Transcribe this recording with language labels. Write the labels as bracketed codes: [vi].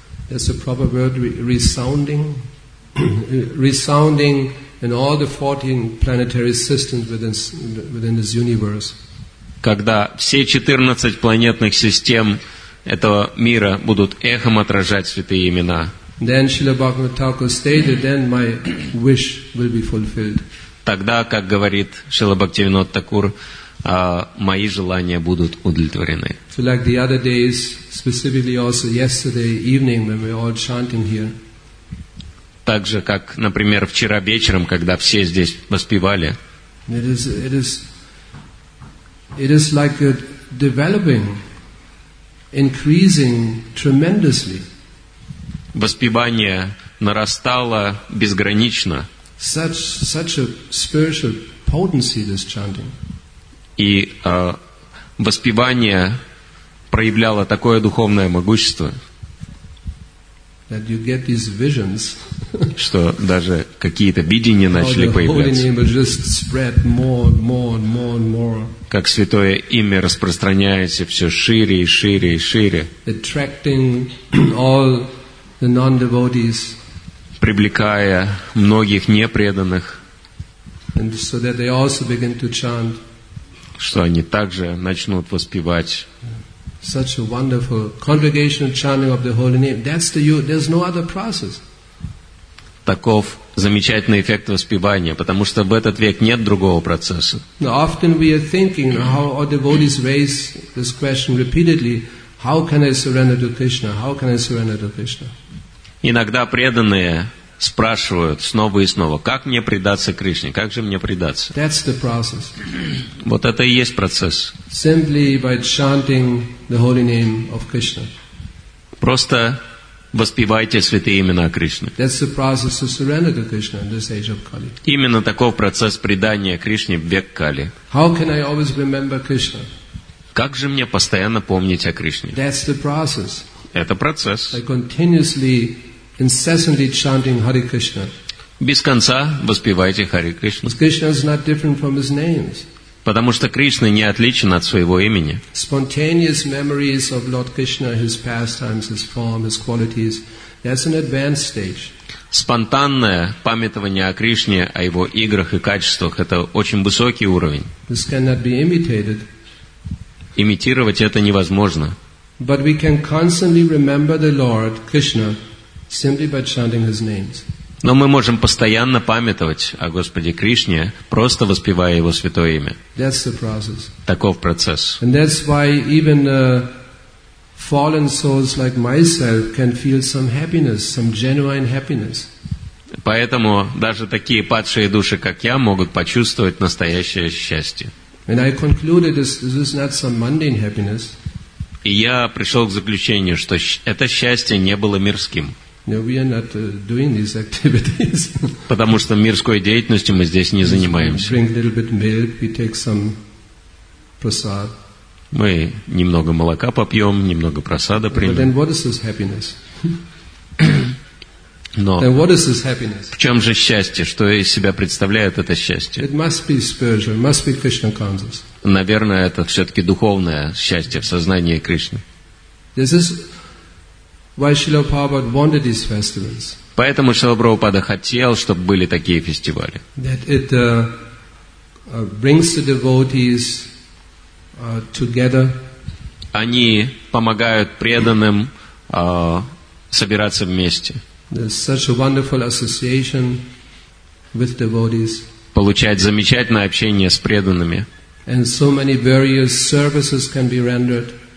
[en] That's a proper word, resounding, resounding in all the 14 planetary systems within this universe. [ru] Когда все 14 планетных систем этого мира будут эхом отражать святые имена. [en] Then Srila Bhagavata Thakur stated, then my wish will be fulfilled. [ru] Тогда, как говорит Шрила Бхактивинода Такур, мои желания будут удовлетворены. [en] So like the other days, specifically also yesterday evening when we were all chanting here. [ru] Так же, как, например, вчера вечером, когда все здесь воспевали. [en] It is like a developing increasing tremendously. [ru] Воспевание нарастало безгранично. [en] Such a spiritual potency this chanting. [ru] И воспевание проявляло такое духовное могущество, [en] that you get these visions, [ru] что даже какие-то видения начали появляться. [en] More and more. [ru] Как святое имя распространяется все шире и шире и шире. [en] Attracting all the non-devotees, [ru] привлекая многих непреданных. [en] And so that they also begin to chant, [ru] что они также начнут воспевать. [en] Such a wonderful congregational chanting of the holy name. That's the there's no other process. [ru] Таков замечательный эффект воспевания, потому что в этот век нет другого процесса. [en] Now, often we are thinking how our devotees raise this question repeatedly: How can I surrender to Krishna? How can I surrender to Krishna? [ru] Иногда преданные спрашивают снова и снова: Как мне предаться Кришне? Как же мне предаться? [en] That's the process. [ru] Вот это и есть процесс. [en] Simply by chanting the holy name of Krishna. [ru] Просто воспевайте святые имена Кришны. [en] That's the process of surrender to Krishna in this age of Kali. [ru] Именно таков процесс предания Кришне в век Кали. [en] How can I always remember Krishna? [ru] Как же мне постоянно помнить о Кришне? [en] That's the process. [ru] Это процесс. [en] I continuously, incessantly chanting Hare Krishna. [ru] Без конца воспевайте Hare Krishna. [en] Krishna is not different from his names. [ru] Потому что Кришна не отличен от своего имени. [en] Spontaneous memories of Lord Krishna, his pastimes, his form, his qualities, that's an advanced stage. [ru] Спонтанное памятование о Кришне, о его играх и качествах, это очень высокий уровень. [en] This cannot be imitated. [ru] Имитировать это невозможно. [en] But we can constantly remember the Lord Krishna simply by chanting his names. [ru] Но мы можем постоянно памятовать о Господе Кришне, просто воспевая Его святое имя. [en] That's the process. [ru] Таков процесс. [en] And that's why even fallen souls like myself can feel some happiness, some genuine happiness. [ru] Поэтому даже такие падшие души, как я, могут почувствовать настоящее счастье. [en] And I concluded this is not some mundane happiness. [ru] И я пришел к заключению, что это счастье не было мирским. [en] No, we are not doing these activities. [ru] Потому что мирской деятельностью мы здесь не занимаемся. [en] We drink a little bit milk, we take some prasad. [ru] Мы немного молока попьем, немного просада примем. [en] But then what is this happiness? [ru] Но [en] then what is this happiness? [ru] В чем же счастье? Что из себя представляет это счастье? [en] It must be spiritual, must be Krishna conscious. [ru] Наверное, это все-таки духовное счастье в сознании Кришны. [en] This is why Srila Prabhupada wanted these festivals. [ru] Поэтому Шрила Прабхупада хотел, чтобы были такие фестивали. [en] That it brings the devotees together. [ru] Они помогают преданным собираться вместе. [en] There's such a wonderful association with devotees. [ru] Получать замечательное общение с преданными. [en] And so many various services can be rendered.